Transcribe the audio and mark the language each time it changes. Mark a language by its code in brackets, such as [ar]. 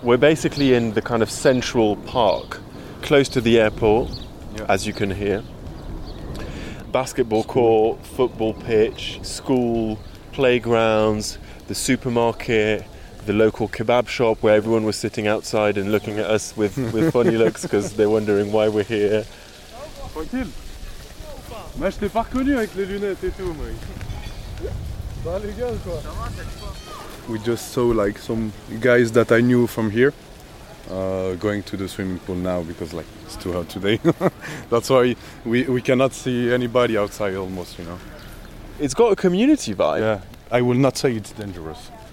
[en] We're basically in the kind of central park, close to the airport, yeah. As you can hear. Basketball school. Court, football pitch, school, playgrounds, the supermarket, the local kebab shop where everyone was sitting outside and looking at us with funny looks because they're wondering why we're here. [fr] Tranquille. Moi, je t'ai pas reconnu avec les lunettes et tout, moi. [en] We just saw like some guys that I knew from here going to the swimming pool now because like it's too hot today. That's why we cannot see anybody outside almost, you know. It's got a community vibe. Yeah, I will not say it's dangerous.